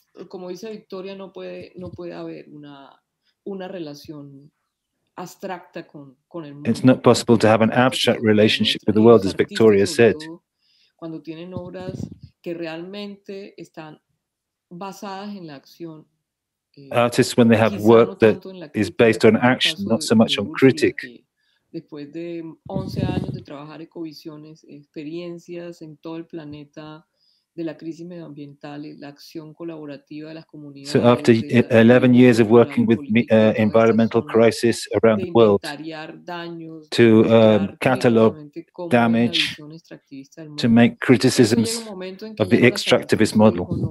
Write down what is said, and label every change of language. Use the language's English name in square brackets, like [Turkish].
[Spanish] Como dice Victoria, no puede haber una relación abstracta con el mundo. [English] It's not possible to have an abstract relationship with the world, as Victoria said. [Spanish] Cuando tienen obras que realmente están basadas en la acción. [English] Artists, when they have work that is based on action, not so much on critic. [Spanish] Después de 11 años de trabajar ecovisiones, experiencias en todo el planeta de la crisis medioambiental, la acción colaborativa de las comunidades. [English] So after 11 years of working with environmental crisis around the world, to catalog damage, to make criticisms of the extractivist model.